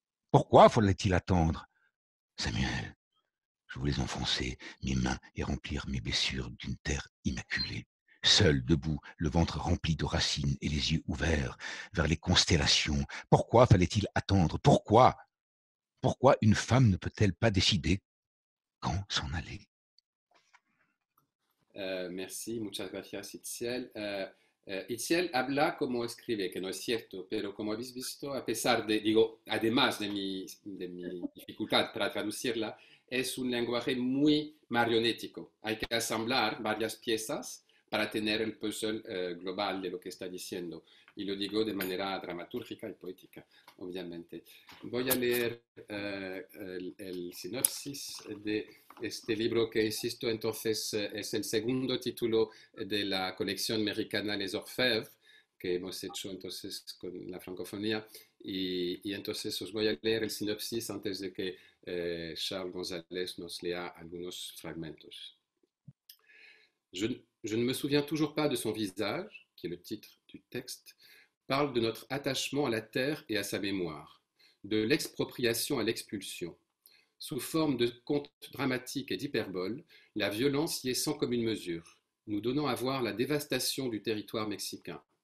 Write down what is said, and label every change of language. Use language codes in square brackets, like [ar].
[fr] Pourquoi fallait-il attendre? Samuel, je voulais enfoncer mes mains et remplir mes blessures d'une terre immaculée. Seul, debout, le ventre rempli de racines et les yeux ouverts vers les constellations. Pourquoi fallait-il attendre? Pourquoi? Pourquoi une femme ne peut-elle pas décider quand s'en aller? Merci, [es] muchas gracias, Itziel. Itziel habla como escribe, que no es cierto, pero como habéis visto, a pesar de, digo, además de mi dificultad para traducirla, es un lenguaje muy marionético. Hay que asamblar varias piezas para tener el puzzle global de lo que está diciendo. Y lo digo de manera dramatúrgica y poética, obviamente. Voy a leer el sinopsis de este libro, que insisto, entonces es el segundo título de la colección americana Les Orfèvres, que hemos hecho entonces con la francofonía. Y entonces os voy a leer el sinopsis antes de que Charles González nos lea algunos fragmentos. [fr] Je ne me souviens toujours pas de son visage, qui est le titre du texte, parle de notre attachement à la terre et à sa mémoire, de l'expropriation à l'expulsion. Sous forme de conte dramatique et d'hyperbole, la violence y est sans commune mesure, nous donnant à voir la dévastation du territoire mexicain.